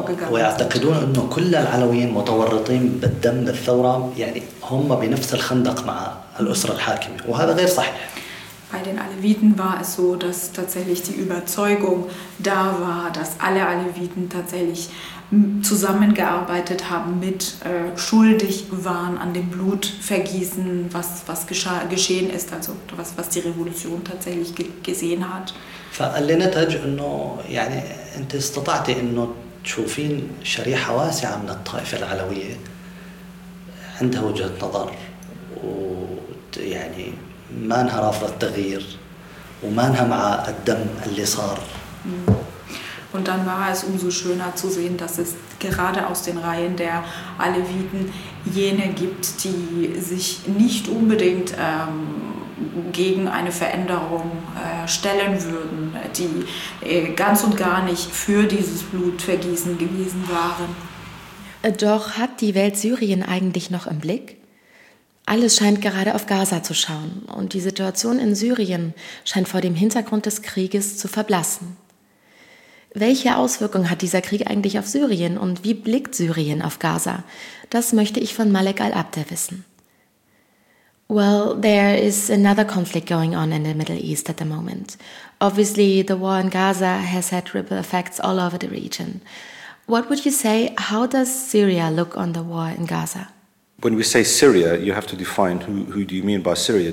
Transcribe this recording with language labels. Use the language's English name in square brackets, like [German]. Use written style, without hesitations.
[Arabic] ويعتقدون إنه كل العلويين متورطين بالدم بالثورة يعني هم بنفس الخندق مع الأسرة الحاكمة وهذا غير صحيح. [German] Bei den Aleviten war es so, dass tatsächlich die Überzeugung da war, dass alle Aleviten tatsächlich zusammengearbeitet haben, mit schuldig waren an dem Blutvergießen, was geschehen ist, also was die Revolution tatsächlich gesehen hat. [Arabic] فالنتج انه يعني انت استطعتي انه تشوفين شريحه واسعه من الطائفه العلويه عندها وجهه نظر ويعني ما انها رافضه التغيير وما انها مع الدم اللي صار. [German] Und dann war es umso schöner zu sehen, dass es gerade aus den Reihen der Aleviten jene gibt, die sich nicht unbedingt gegen eine Veränderung stellen würden, die ganz und gar nicht für dieses Blutvergießen gewesen waren. Doch hat die Welt Syrien eigentlich noch im Blick? Alles scheint gerade auf Gaza zu schauen und die Situation in Syrien scheint vor dem Hintergrund des Krieges zu verblassen. Welche Auswirkungen hat dieser Krieg eigentlich auf Syrien und wie blickt Syrien auf Gaza? Das möchte ich von Malek al-Abdeh wissen. [English] Well, there is another conflict going on in the Middle East at the moment. Obviously, the war in Gaza has had ripple effects all over the region. What would you say, how does Syria look on the war in Gaza? When we say Syria, you have to define who do you mean by Syria?